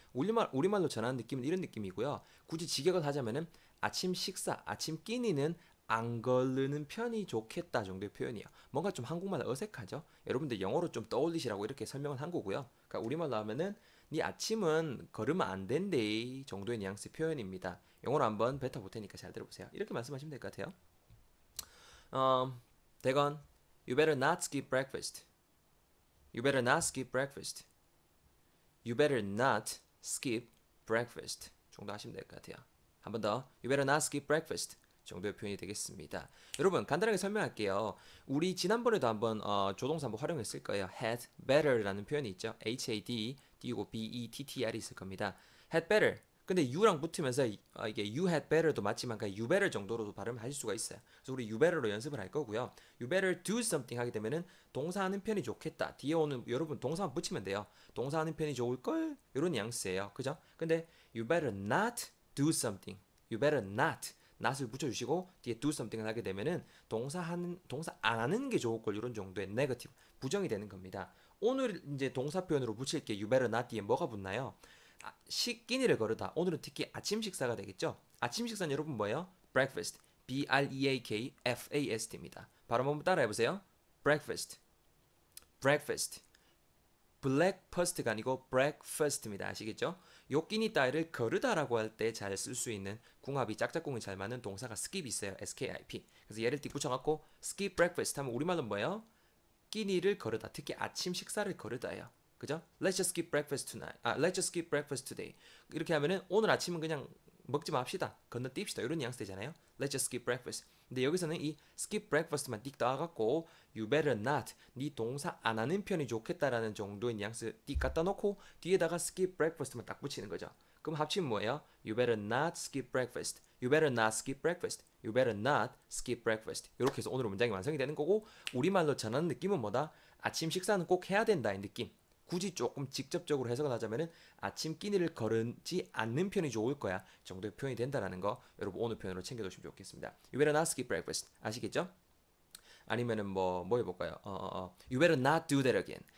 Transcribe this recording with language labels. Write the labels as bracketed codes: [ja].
[ko] 우리말로 전하는 느낌은 이런 느낌이고요. 굳이 직역을 하자면은 아침 식사, 아침 끼니는 안 걸르는 편이 좋겠다 정도의 표현이야. 뭔가 좀 한국말 어색하죠? 여러분들 영어로 좀 떠올리시라고 이렇게 설명을 한 거고요. 그러니까 우리말로 하면은 네 아침은 걸으면 안 된대 정도의 뉘앙스 표현입니다. 영어로 한번 뱉어볼 테니까 잘 들어보세요. 이렇게 말씀하시면 될것 같아요. [en] 대건, You better not skip breakfast. You better not skip breakfast. You better not skip breakfast. [ko] 정도 하시면 될것 같아요. 한번 더, [en] You better not skip breakfast. [ko] 정도의 표현이 되겠습니다. 여러분 간단하게 설명할게요. 우리 지난번에도 한번 조동사 한번 활용했을 거예요. had better라는 표현이 있죠. had 띄우고 better 있을 겁니다. [en] had better. [ko] 근데 you랑 붙으면서 이게 you had better도 맞지만 그러니까 you better 정도로도 발음을 하실 수가 있어요. 그래서 우리 you better로 연습을 할 거고요. [en] you better do something [ko] 하게 되면은 동사하는 편이 좋겠다. 뒤에 오는 여러분 동사 한번 붙이면 돼요. 동사하는 편이 좋을 걸 이런 뉘앙스예요. 그죠? [en] 근데 you better not do something. you better not [ko] not을 붙여주시고 뒤에 [en] do something [ko] 을 하게 되면은 동사 안 하는 게 좋을 걸 이런 정도의 negative 부정이 되는 겁니다. 오늘 이제 동사 표현으로 붙일 게 you better not 뒤에 뭐가 붙나요? 끼니를 거르다. 오늘은 특히 아침 식사가 되겠죠? 아침 식사는 여러분 뭐예요? breakfast. breakfast입니다. 발음 한번 따라해 보세요. breakfast. breakfast. breakfast가 아니고 breakfast입니다. 아시겠죠? 요 끼니 따위를 거르다라고 할때잘쓸수 있는 궁합이 짝짝꿍이 잘 맞는 동사가 skip 있어요. skip. 그래서 얘를 뒷붙여갖고 skip breakfast 하면 우리말로 뭐예요? 끼니를 거르다. 특히 아침 식사를 거르다예요. 그죠? [en] Let's just skip breakfast tonight. 아, let's just skip breakfast today. [ko] 이렇게 하면은 오늘 아침은 그냥 먹지 맙시다. 건너뛰읍시다. 이런 뉘앙스 되잖아요. [en] Let's just skip breakfast. [ko] 근데 여기서는 이 skip breakfast만 띡 따갖고 [en] you better not. [ko] 니 동사 안 하는 편이 좋겠다라는 정도의 뉘앙스 띡 갖다 놓고 뒤에다가 skip breakfast만 딱 붙이는 거죠. 그럼 합친 뭐예요? [en] You better not skip breakfast. You better not skip breakfast. You better not skip breakfast. [ko] 이렇게 해서 오늘 문장이 완성이 되는 거고 우리말로 전하는 느낌은 뭐다? 아침 식사는 꼭 해야 된다인 느낌. 굳이 조금 직접적으로 해석을 하자면은 아침 끼니를 거르지 않는 편이 좋을 거야 정도의 표현이 된다라는 거 여러분 오늘 표현으로 챙겨두시면 좋겠습니다. [en] You better not skip breakfast. [ko] 아시겠죠? 아니면은 뭐 해볼까요? [en] You better not do that again.